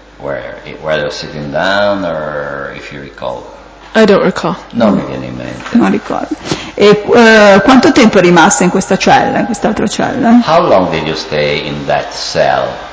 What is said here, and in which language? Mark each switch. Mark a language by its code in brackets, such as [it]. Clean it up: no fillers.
[en] Were they sitting down or if you recall? I don't recall. [it] Non mi viene in mente. Non ricordo. E quanto tempo è rimasta in questa cella, in quest'altra cella? [en] How long did you stay in that cell?